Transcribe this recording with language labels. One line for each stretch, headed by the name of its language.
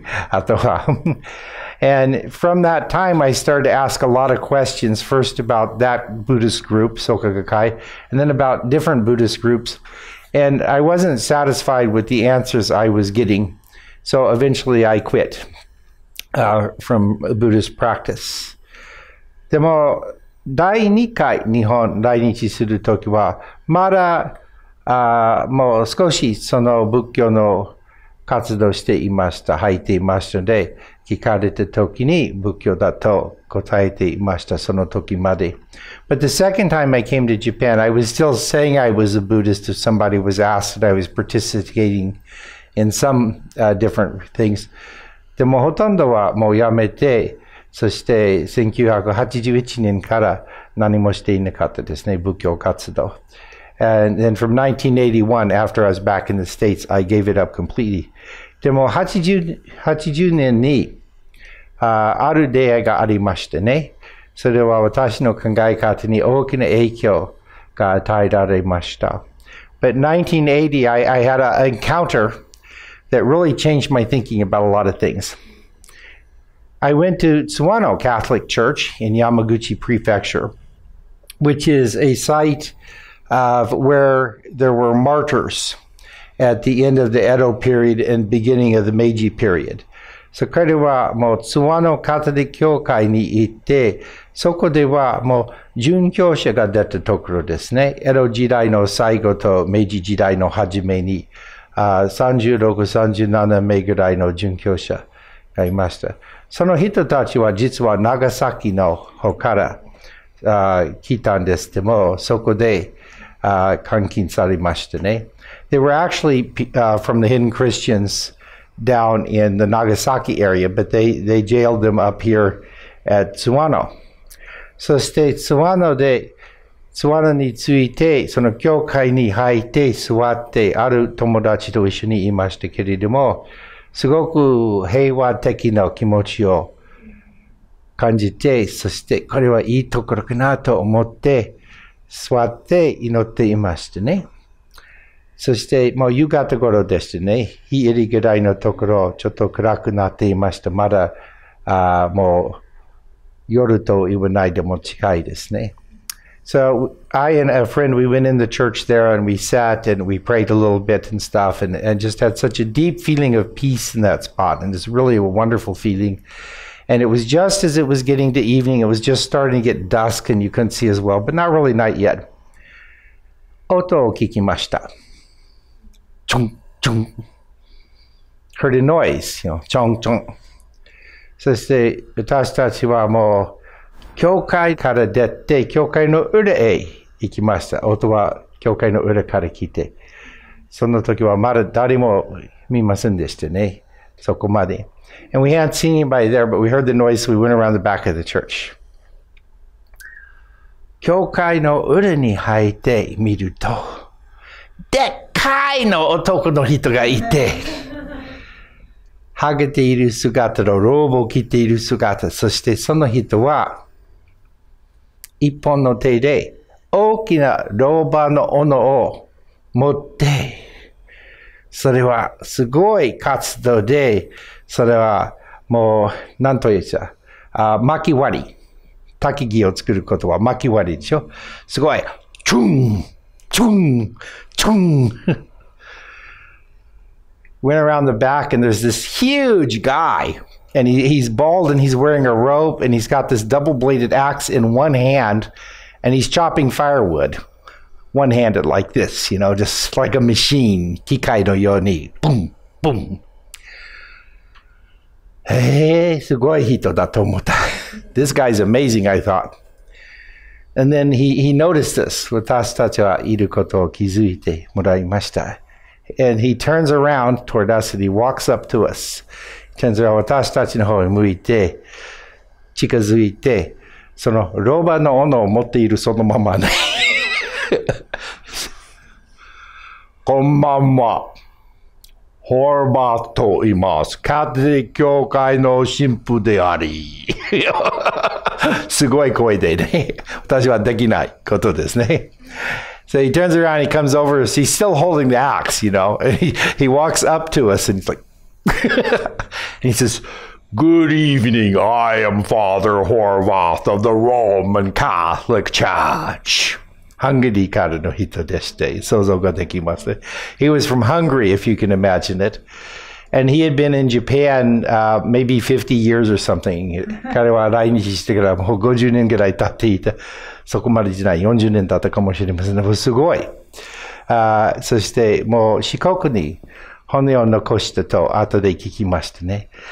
Japanese: あとは。
English: And from that time, I started to ask a lot of questions, first about that Buddhist group, Soka Gakkai, and then about different Buddhist groups. And I wasn't satisfied with the answers I was getting. So eventually I quit from Buddhist practice.
Japanese: でも、第2回日本来日するときは、まだもう少しその仏教の活動していました、入っていましたので、聞かれた時に仏教だと答えていました、その時まで。
English: But the second time I came to Japan, I was still saying I was a Buddhist if somebody was asked that I was participating in some different things.
Japanese: でもほとんどはもうやめて、そして1981年から何もしていなかったですね、仏教活動。
English: And then from 1981, after I was back in the States, I gave it up completely.
Japanese: でも80年にある出会いがありましてね。それは私の考え方に大きな影響が与えられました。
English: But 1980, I had an encounter that really changed my thinking about a lot of things. I went to Tsuwano Catholic Church in Yamaguchi Prefecture, which is a site of where there were martyrs at the end of the Edo period and beginning of the Meiji period.
Japanese: So, これはもう Tsuwano Catholic 教会に行って、そこではもう殉教者が出たところですね。江戸時代の最後と明治時代の初めに、36、37名ぐらいの殉教者がいました。その人たちは実は長崎の方から来たんですけども、そこで監禁されましたね。
English: They were actually from the hidden Christians down in the Nagasaki area, but they jailed them up here at Tsuwano.
Japanese: そして、Tsuwano について、その教会に入って座って、ある友達と一緒にいましたけれども、すごく平和的な気持ちを感じて、そして、これはいいところかなと思って、座って祈っていましたね。そして、もう夕方頃でしたね。日入りぐらいのところ、ちょっと暗くなっていました。まだ、もう、夜と言わないでも近いですね。
English: So I and a friend, we went in the church there and we sat and we prayed a little bit and stuff and just had such a deep feeling of peace in that spot. And it's really a wonderful feeling. And it was just as it was getting to evening, it was just starting to get dusk and you couldn't see as well, but not really night yet.
Japanese: 音を聞きました。チョンチョン。
English: Heard a noise, you know, チョンチョン。
Japanese: そして私たちはもう教会から出て教会の裏へ行きました。音は教会の裏から聞いて、その時はまだ誰も見ませんでしたね。そこまで。
English: And we hadn't seen anybody there, but we heard the noise, so we went around the back of the church.
Japanese: 教会の裏に入ってみると、でっかいの男の人がいて。ハゲている姿とローブを着ている姿、そしてその人は一本の手で大きな老婆の斧を持って、それはすごい活動で、それはもう何と言うじゃ、巻き割り、焚き木を作ることは巻き割りでしょ。すごい、チュン、チュン、チュン。
English: Went around the back and there's this huge guy and he's bald and he's wearing a robe and he's got this double-bladed axe in one hand and he's chopping firewood one-handed like this, you know, just like a machine.
Japanese: 機械のように。
English: Boom, boom.
Japanese: Hey, すごい人だと思った。
English: This guy's amazing, I thought. And then he noticed this.
Japanese: 私たちはいることを気づいてもらいました。
English: And he turns around toward us and he walks up to us. Turns around,
Japanese: 私たちの方に向いて、近づいて、そのロバの斧を持っているそのままね。こんばんは。ホルバと言います。カトリック教会の神父であり。すごい声でね。私はできないことですね。
English: So he turns around, he comes over, he's still holding the axe, you know. He walks up to us and he's like, and he says, Good evening, I am Father Horvath of the Roman Catholic Church.
Japanese: Hungary からの人でして、想像ができますね。
English: He was from Hungary, if you can imagine it. And he had been in Japan maybe 50 years or something.
Japanese: 彼は来日してからもう50年ぐらい経っていた。そこまでじゃない、40年経ったかもしれませんね。もうすごい。そしてもう四国に骨を残したと後で聞きましたね。